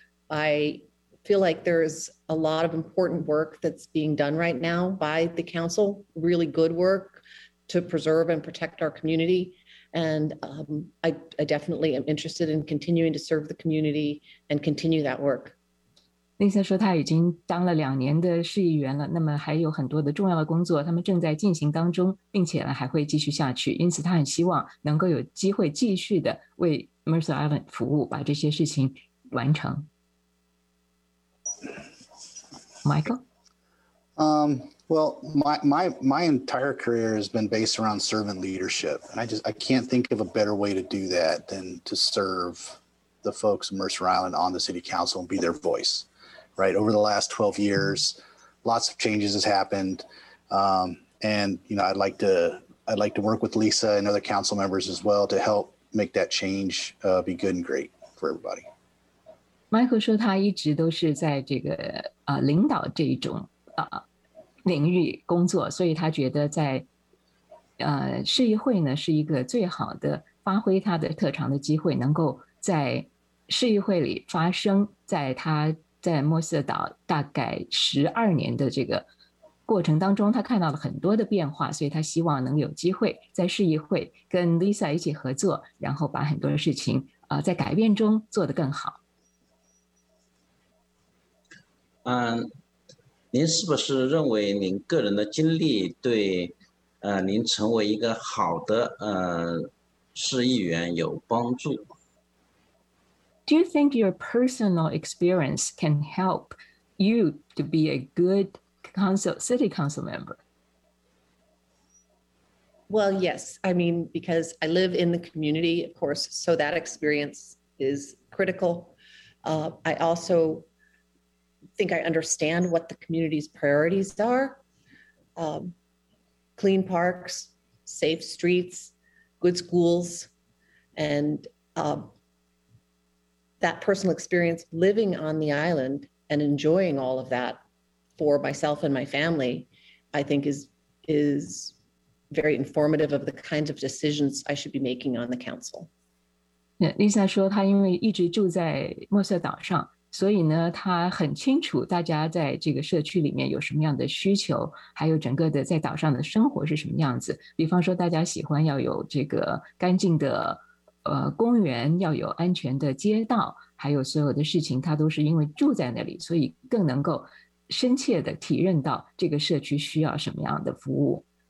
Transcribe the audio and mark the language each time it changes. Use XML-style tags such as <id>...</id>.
<en>I feel like there's a lot of important work that's being done right now by the council, really good work to preserve and protect our community. And I definitely am interested in continuing to serve the community and continue that work.</en> <zh>内森说他已经当了两年的市议员了，那么还有很多的重要的工作他们正在进行当中，并且还会继续下去，因此他很希望能够有机会继续的为 Mercer Island 服务，把这些事情完成。</zh> <en>Michael? Well, my entire career has been based around servant leadership, and I can't think of a better way to do that than to serve the folks of Mercer Island on the city council and be their voice, right? Over the last 12 years, lots of changes has happened. And, you know, I'd like to work with Lisa and other council members as well to help make that change be good and great for everybody.</en> <zh>Michael 说他一直都是在这个领导这一种领域工作，所以他觉得在市议会呢是一个最好的发挥他的特长的机会，能够在市议会里发声，在他在墨西哥岛大概12年的这个过程当中，他看到了很多的变化，所以他希望能有机会在市议会跟 Lisa 一起合作，然后把很多的事情在改变中做得更好。您是不是认为您个人的经历对您成为一个好的市议员有帮助？</zh> <en>Do you think your personal experience can help you to be a good city council member? Well, yes. I mean, because I live in the community, of course, so that experience is critical. I also think I understand what the community's priorities are. Clean parks, safe streets, good schools, and that personal experience living on the island and enjoying all of that for myself and my family, I think is very informative of the kinds of decisions I should be making on the council.</en> <zh>Yeah, Lisa 说她因为一直住在墨西哥岛上，所以呢，他很清楚大家在这个社区里面有什么样的需求，还有整个的在岛上的生活是什么样子。比方说，大家喜欢要有这个干净的公园，要有安全的街道，还有所有的事情，他都是因为住在那里，所以更能够深切的体认到这个社区需要什么样的服务。</zh>